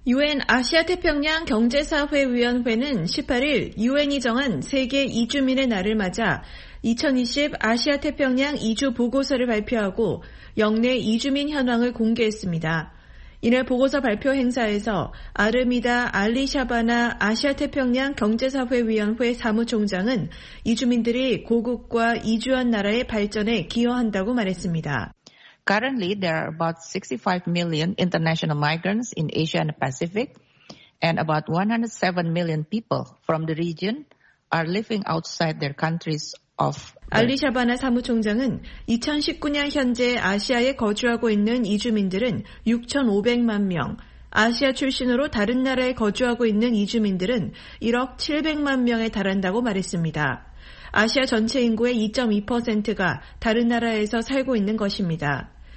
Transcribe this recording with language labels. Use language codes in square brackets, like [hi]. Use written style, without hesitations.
[ko] 유엔 아시아태평양 경제사회위원회는 18일 유엔이 정한 세계 이주민의 날을 맞아 2020 아시아태평양 이주 보고서를 발표하고 역내 이주민 현황을 공개했습니다. 이날 보고서 발표 행사에서 아르미다 알리샤바나 아시아태평양경제사회위원회 사무총장은 이주민들이 고국과 이주한 나라의 발전에 기여한다고 말했습니다. [en] Currently, there are about 65 million international migrants in Asia and the Pacific, and about 107 million people from the region are living outside their countries of. [ko] 알리샤바나 사무총장은 2019년 현재 아시아에 거주하고 있는 이주민들은 6,500만 명, 아시아 출신으로 다른 나라에 거주하고 있는 이주민들은 1억 700만 명에 달한다고 말했습니다. 아시아 전체 인구의 2.2%가 다른 나라에서 살고 있는 것입니다.